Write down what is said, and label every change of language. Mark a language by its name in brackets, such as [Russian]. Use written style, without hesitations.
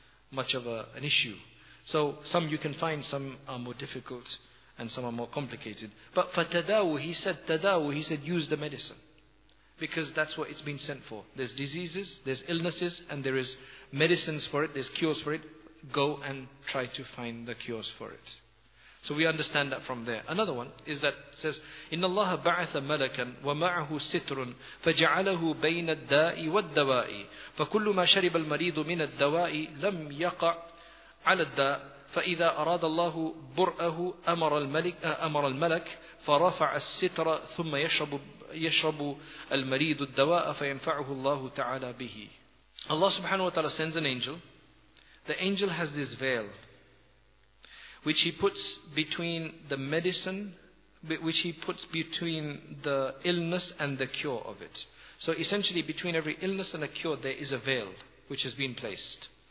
[English] Much of an issue. So some you can find, some are more difficult and some are more complicated. But for tadawu, he said use the medicine. Because that's what it's been sent for. There's diseases, there's illnesses, and there is medicines for it, there's cures for it. Go and try to find the cures for it. So we understand that from there. [Arabic] Another one is that says, إِنَّ اللَّهَ بَعَثَ مَلَكًا وَمَعَهُ سِتْرٌ فَجَعَلَهُ بَيْنَ الدَّاءِ وَالدَّوَاءِ فَكُلُّ مَا شَرِبَ الْمَرِيضُ مِنَ الدَّوَاءِ لَمْ يَقَعْ عَلَى الدَّاءِ فَإِذَا أَرَادَ اللَّهُ بُرْأَهُ أَمَرَ الْمَلَكَ فَرَفَعَ السِّتْرَ ثُمَّ يَشْرَبُ الْمَرِيضُ الدَّوَاءَ فَيَنْفَعُهُ اللَّهُ تَعَالَى بِهِ. [English] Allah subhanahu wa ta'ala sends an angel. The angel has this veil which he puts between the medicine, which he puts between the illness and the cure of it. So essentially between every illness and a cure there is a veil which has been placed.